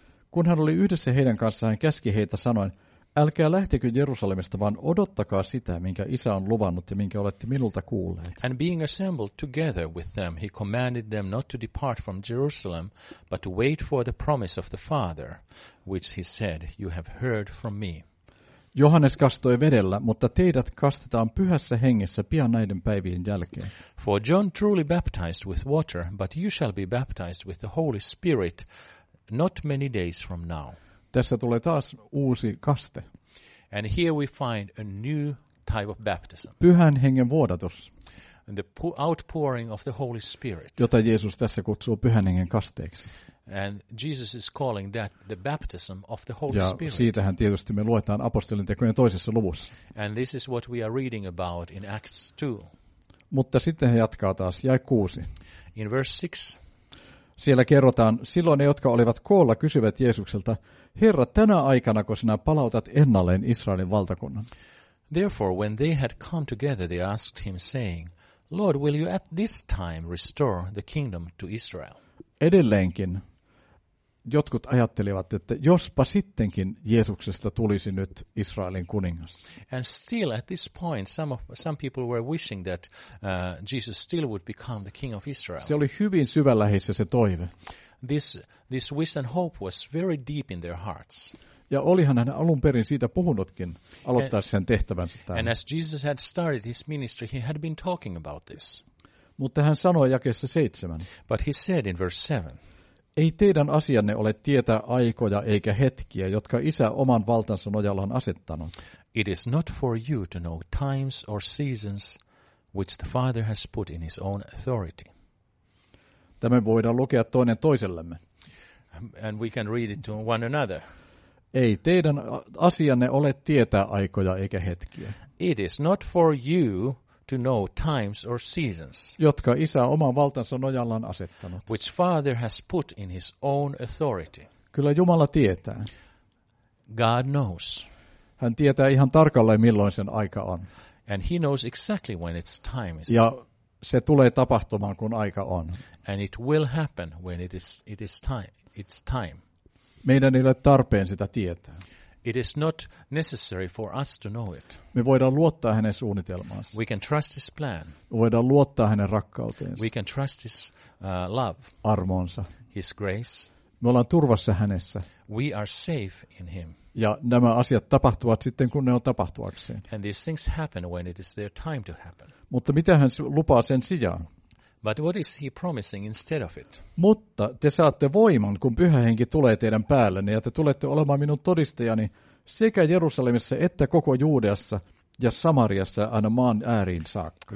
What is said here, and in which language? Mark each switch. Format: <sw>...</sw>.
<fi>Kun hän oli yhdessä heidän kanssaan, hän käski heitä sanoen, älkää lähtekö Jerusalemista, vaan odottakaa sitä, minkä Isä on luvannut ja minkä olette minulta kuulleet.</fi> <en>And being assembled together with them, he commanded them not to depart from Jerusalem, but to wait for the promise of the Father, which he said, you have heard from me.</en> <fi>Johannes kastoi vedellä, mutta teidät kastetaan pyhässä hengessä pian näiden päivien jälkeen.</fi> <en>For John truly baptized with water, but you shall be baptized with the Holy Spirit not many days from now.</en> <fi>Tässä tulee taas uusi kaste.</fi> <en>And here we find a new type of baptism.</en> <fi>Pyhän hengen vuodatus.</fi> <en>And the outpouring of the Holy Spirit.</en> <fi>Jota Jeesus tässä kutsuu pyhän hengen kasteeksi.</fi> <en>And Jesus is calling that the baptism of the Holy</en> <fi>ja</fi> <en>Spirit.</en> <fi>Ja siitähän tietysti me luetaan apostolintekojen toisessa luvussa.</fi> <en>And this is what we are reading about in Acts 2.</en> <fi>Mutta sitten he jatkaa taas, jae 6.</fi> <en>In verse 6.</en> <fi>Siellä kerrotaan, silloin ne, jotka olivat koolla, kysyvät Jeesukselta, Herra, tänä aikana, kun sinä palautat ennalleen Israelin valtakunnan.</fi> <en>Therefore, when they had come together, they asked him, saying, Lord, will you at this time restore the kingdom to Israel?</en> <fi>Edelleenkin jotkut ajattelivat, että jospa sittenkin Jeesuksesta tulisi nyt Israelin kuningas.</fi> <en>And still at this point some people were wishing that Jesus still would become the king of Israel.</en> <fi>Se oli hyvin syvällä heissä se toive.</fi> <en>This wish and hope was very deep in their hearts.</en> <fi>Ja olihan hän alun perin siitä puhunutkin aloittaa sen tehtävänsä tämän.</fi> <en>And as Jesus had started his ministry, he had been talking about this.</en> <fi>Mutta hän sanoi jakeessa 7.</fi> <en>But he said in verse 7.</en> <fi>Ei teidän asianne ole tietää aikoja eikä hetkiä, jotka Isä oman valtansa nojalla on asettanut.</fi> <en>It is not for you to know times or seasons which the Father has put in his own authority.</en> <fi>Tämä voidaan lukea toinen toisellemme.</fi> <en>And we can read it to one another.</en> <fi>Ei teidän asianne ole tietää aikoja eikä hetkiä.</fi> <en>It is not for you to know times or seasons,</en> <fi>jotka Isä oman valtansa nojalla on asettanut,</fi> <en>which Father has put in his own authority.</en> <fi>Kyllä Jumala tietää.</fi> <en>God knows.</en> <fi>Hän tietää ihan tarkalleen, milloin sen aika on.</fi> <en>And he knows exactly when its time is.</en> <fi>Ja se tulee tapahtumaan, kun aika on.</fi> <en>And it will happen when it is time, its time.</en> <fi>Meidän ei ole tarpeen sitä tietää.</fi> <en>It is not necessary for us to know it.</en> <fi>Me voidaan luottaa hänen suunnitelmaansa.</fi> <en>We can trust his plan.</en> <fi>Me voidaan luottaa hänen rakkauteensa.</fi> <en>We can trust his love.</en> <fi>Armoonsa.</fi> <en>His grace.</en> <fi>Me ollaan turvassa hänessä.</fi> <en>We are safe in him.</en> <fi>Ja nämä asiat tapahtuvat sitten, kun ne on tapahtuakseen.</fi> <en>And these things happen when it is their time to happen.</en> <fi>Mutta mitä hän lupaa sen sijaan?</fi> <en>But what is he promising instead of it?</en> <fi>Mutta te saatte voiman, kun Pyhä Henki tulee teidän päällenne, ja te tulette olemaan minun todistajani sekä Jerusalemissa että koko Juudeassa ja Samariassa aina maan ääriin saakka.</fi>